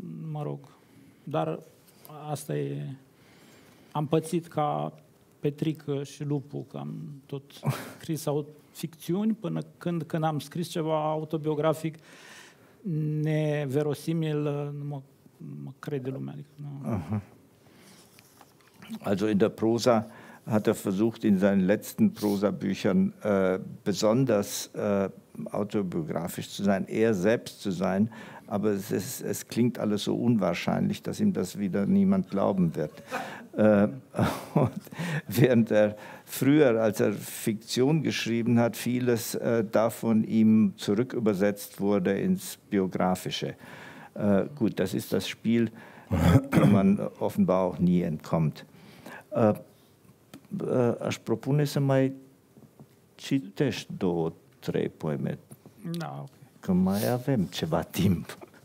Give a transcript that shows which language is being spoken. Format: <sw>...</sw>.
<ro>mă rog, dar asta e, am pățit ca Petrică și Lupu, că am tot scris ficțiuni, până când am scris ceva autobiografic neverosimil, nu mă crede lumea. Adică, nu.</ro> <de>Also in der Prosa hat er versucht, in seinen letzten Prosa-Büchern besonders autobiografisch zu sein, er selbst zu sein, aber es klingt alles so unwahrscheinlich, dass ihm das wieder niemand glauben wird. Und während er früher, als er Fiktion geschrieben hat, vieles davon ihm zurückübersetzt wurde ins Biografische. Gut, das ist das Spiel, dem man offenbar auch nie entkommt.</de> <ro>Aș propune să mai citești două, trei poeme. Da, ok. Că mai avem ceva timp.</ro>